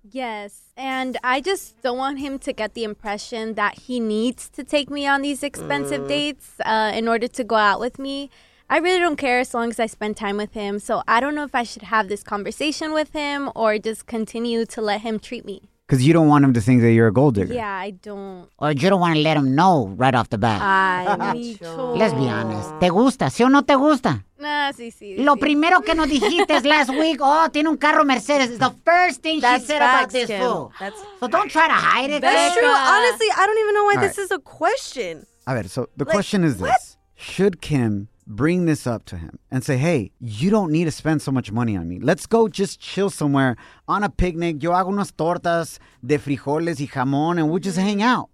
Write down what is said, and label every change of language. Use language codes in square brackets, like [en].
[en] Yes, and I just don't want him to get the impression that he needs to take me on these expensive dates in order to go out with me. I really don't care as long as I spend time with him, so I don't know if I should have this conversation with him or just continue to let him treat me. Because you don't want him to think that you're a gold digger. Yeah, I don't. Or you don't want to let him know right off the bat. [es] Ay, Micho. [en] Let's be honest. [es] ¿Te gusta? ¿Sí o no te gusta? Nah, sí. Lo primero que nos dijiste [en] last week, [es] tiene un carro Mercedes. [en] It's the first thing that's she said about this fool. So don't try to hide it. That's true. Honestly, I don't even know why this is a question. [es] A ver, [en] so the question is this. Should Kim bring this up to him and say, hey, you don't need to spend so much money on me. Let's go just chill somewhere on a picnic. [es] Yo hago unas tortas de frijoles y jamón [en] and we'll just hang out.